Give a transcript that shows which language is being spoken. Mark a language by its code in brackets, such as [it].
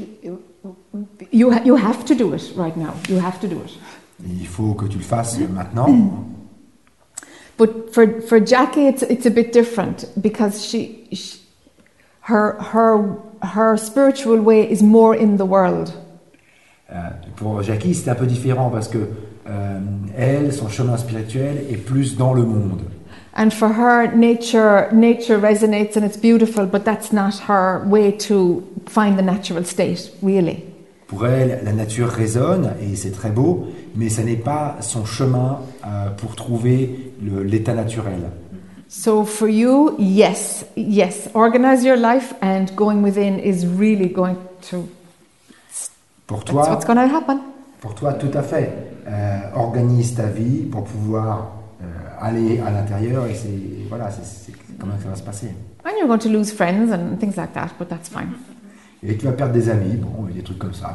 [en] So you have to do it right now. You have to do it. [fr] Et il faut que tu le fasses maintenant. [en] But for Jackie, it's a bit different because her spiritual way is more in the world. [fr] Pour Jackie, c'est un peu différent parce que elle, son chemin spirituel est plus dans le monde. [en] And for her, nature resonates and it's beautiful, but that's not her way to find the natural state, really. [fr] Pour elle, la nature résonne et c'est très beau, mais ça n'est pas son chemin pour trouver l'état naturel. [en] So for you, yes, organize your life and going within is really going to. [fr] Pour toi, [en] that's what's going to happen. [fr] Pour toi, tout à fait. Organise ta vie pour pouvoir aller à l'intérieur et c'est comment ça va se passer. [en] And you're going to lose friends and things like that, but that's fine. [fr] Et tu vas perdre des amis, bon, des trucs comme ça.